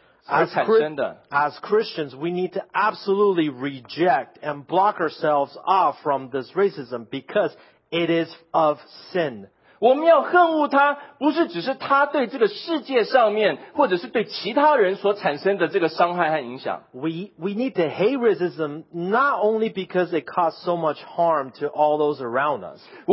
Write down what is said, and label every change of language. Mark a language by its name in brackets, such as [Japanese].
[English] As Christians, we need to absolutely reject and block ourselves off from this racism because it is of sin. [Chinese] 我们要恨恶它，不是只是它对这个世界上面，或者是对其他人所产生的这个伤害和影响。 [English] We need to hate racism not only because it caused so much harm to all those around us.